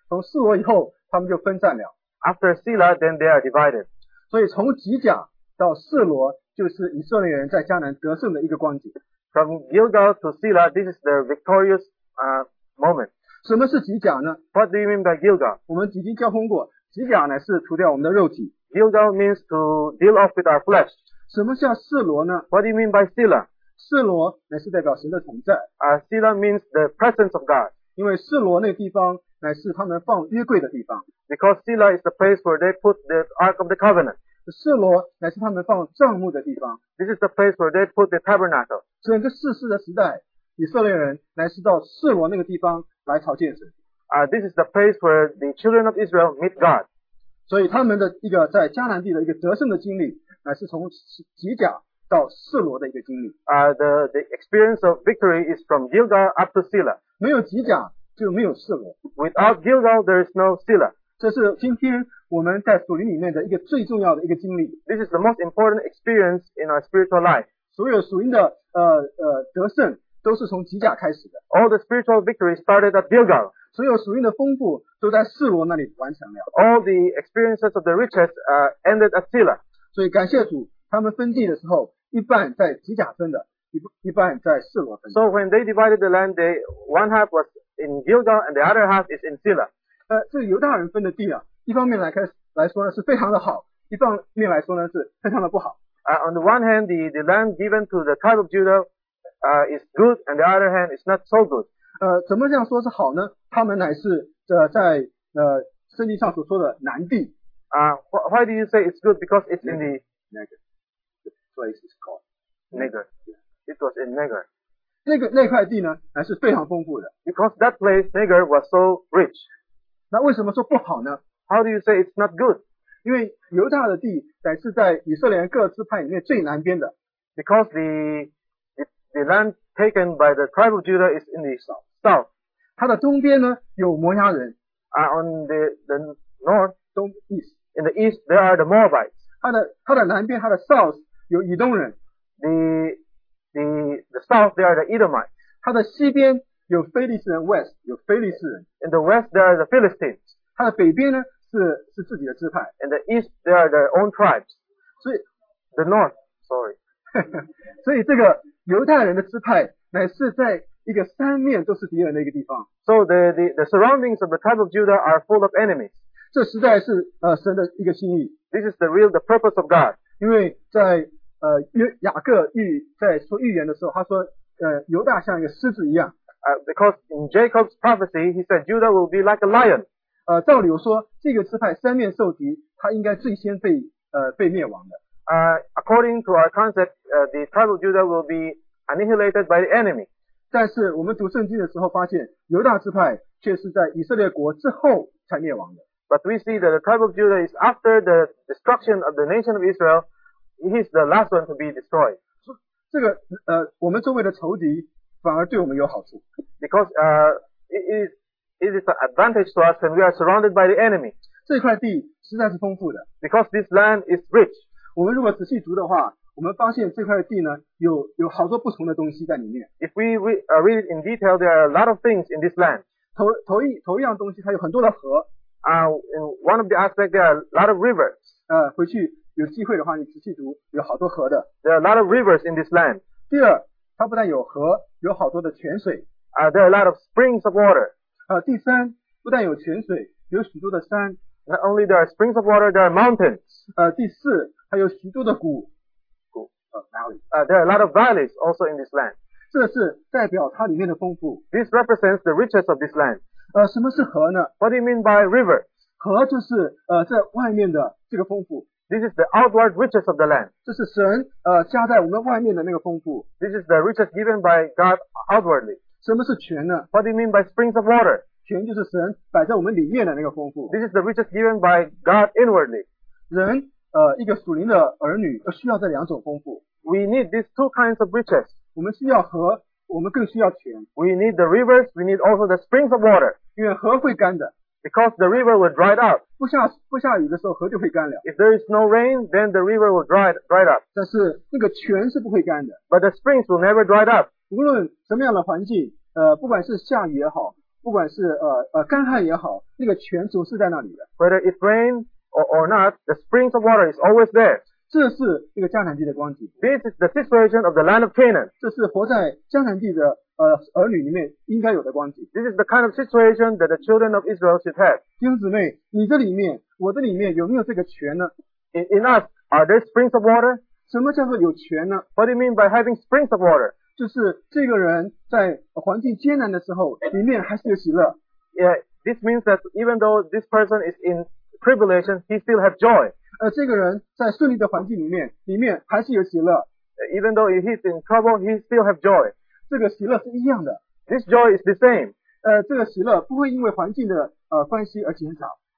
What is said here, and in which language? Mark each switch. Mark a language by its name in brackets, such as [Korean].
[Chinese] 从示罗以后，他们就分散了。 [English] After Sela, then they are divided. [Chinese] 所以从吉甲到示罗，就是以色列人在迦南得胜的一个光景。 [English] From Gilgal to Sela, this is their victorious moment. [Chinese] 什么是吉甲呢？ [English] What do you mean by Gilgal? [Chinese] 我们已经交通过，吉甲呢是除掉我们的肉体。 [English] Gilgal means to deal off with our flesh. [Chinese] 什么叫示罗呢？ [English] What do you mean by Sela? [Chinese] 示罗乃是代表神的同在。 [English] Sela means the presence of God. [Chinese] 因为示罗那地方乃是他们放约柜的地方。 [English] Because Sela is the place where they put the Ark of the Covenant. [Chinese] 示罗乃是他们放帐幕的地方。 [English] This is the place where they put the tabernacle. [Chinese] 整个世世的时代，以色列人乃是到示罗那个地方来朝见神。 [English] This is the place where the children of Israel meet God. [Chinese] 所以他们的一个在迦南地的一个得胜的经历，乃是从吉甲到示罗的一个经历。 [English] The experience of victory is from Gilgal up to Sela. [Chinese] 没有吉甲就没有示罗。 [English] Without Gilgal, there is no Sela. [Chinese] 这是今天我们在属灵里面的一个最重要的一个经历。 [English] This is the most important experience in our spiritual life. [Chinese] 所有属灵的得胜都是从吉甲开始的。 [English] All the spiritual victory started at Gilgal. [Chinese] 所有属灵的丰富都在示罗那里完成了。 [English] All the experiences of the riches ended at Sela. [Chinese] 所以感谢主，他们分地的时候，一半在吉甲分的，一半在示罗分的。 [English] So when they divided the land, one half was in Gilgal and the other half is in Sela. [Chinese] 这个犹大人分的地啊，一方面来说呢是非常的好，一方面来说呢是非常的不好。 [English] On the one hand, the land given to the tribe of Judah. Is good, and the other hand, it's not so good. [Chinese] 怎么这样说是好呢？他们乃是在圣经上所说的南地。 [English] Why do you say it's good? Because it's in the Negev. The place is called Negev. It was in Negev. [Chinese] 那块地呢，乃是非常丰富的。 [English] Because that place Negev was so rich. [Chinese] 那为什么说不好呢？ [English] How do you say it's not good? [Chinese] 因为犹大的地乃是在以色列各支派里面最南边的。 [English] Because the land taken by the tribe of Judah is in the south. [Chinese] 它的东边呢有摩押人。 [English] On the north, [Chinese] 东 east. [English] In the east, there are the Moabites. [Chinese] 它的南边，它的 south 有以东人。 [English] The south, there are the Edomites. [Chinese] 它的西边有非利士人， west 有非利士人。 [English] In the west, there are the Philistines. [Chinese] 它的北边呢是自己的支派。 [English] In the east, there are their own tribes. [Chinese] 所以 [English] the north, sorry. [Chinese] 所以这个犹太人的支派乃是在一个三面都是敌人的一个地方。 [English] So the surroundings of the tribe of Judah are full of enemies. [Chinese] 这实在是神的一个心意。 [English] This is the purpose of God. [Chinese] 因为在雅各在说预言的时候，他说犹大像一个狮子一样。 [English] Because in Jacob's prophecy, he said Judah will be like a lion. [Chinese] 照理说这个支派三面受敌，他应该最先被灭亡的。 [English] According to our concept, the tribe of Judah will be annihilated by the enemy. [Chinese] 但是我们读圣经的时候发现犹大支派却是在以色列国之后才灭亡的。 [English] But we see that the tribe of Judah is after the destruction of the nation of Israel, he is the last one to be destroyed. [Chinese] 这个我们周围的仇敌反而对我们有好处。 [English] Because it is an advantage to us when we are surrounded by the enemy. [Chinese] 这块地实在是丰富的。 [English] Because this land is rich. [Chinese] 我们如果仔细读的话，我们发现这块地呢有好多不同的东西在里面。 [English] If we read it in detail, there are a lot of things in this land. [Chinese] 头一样东西它有很多的河。 [English] In one of the aspects, there are a lot of rivers. [Chinese] 回去有机会的话，你仔细读，有好多河的。 [English] There are a lot of rivers in this land. [Chinese] 第二，它不但有河，有好多的泉水。 [English] There are a lot of springs of water. [Chinese] 第三，不但有泉水，有许多的山。 [English] Not only there are springs of water, there are mountains. [Chinese] 第四，还有许多的谷。 [English] There are a lot of valleys also in this land. [Chinese] 这是代表它里面的丰富。 [English] This represents the riches of this land. [Chinese] 什么是河呢？ [English] What do you mean by river? [Chinese] 河就是这外面的这个丰富。 [English] This is the outward riches of the land. [Chinese] 这是神加在我们外面的那个丰富。 [English] This is the riches given by God outwardly. [Chinese] 什么是泉呢？ [English] What do you mean by springs of water? [Chinese] 泉就是神摆在我们里面的那个丰富。 [English] This is the riches given by God inwardly. [Chinese] 人一个属灵的儿女需要这两种丰富。 [English] We need these two kinds of riches. [Chinese] 我们需要河，我们更需要泉。 [English] We need the rivers, we need also the springs of water. [Chinese] 因为河会干的。 [English] Because the river will dry up. [Chinese] 不下雨的时候河就会干了。 [English] If there is no rain, then the river will dry up. [Chinese] 但是那个泉是不会干的。 [English] But the springs will never dry up. [Chinese] 无论什么样的环境不管是下雨也好，不管是干旱也好，那个泉总是在那里的。 [English] Whether it rains or not, the springs of water is always there. [Chinese] 这是这个迦南地的光景。 [English] This is the situation of the land of Canaan. [Chinese] 这是活在迦南地的儿女里面应该有的光景。 [English] This is the kind of situation that the children of Israel should have. [Chinese] 弟兄姊妹，你这里面，我这里面有没有这个泉呢？ [English] In us, are there springs of water? [Chinese] 什么叫做有泉呢？ [English] What do you mean by having springs of water? [Chinese] 就是这个人在环境艰难的时候，里面还是有喜乐。 [English] Yeah, this means that even though this person is in tribulation, he still have joy. [Chinese] 这个人在顺利的环境里面，里面还是有喜乐。 [English] Even though he's in trouble, he still have joy. [Chinese] 这个喜乐是一样的。 [English] This joy is the same. [Chinese] 这个喜乐不会因为环境的关系而减少。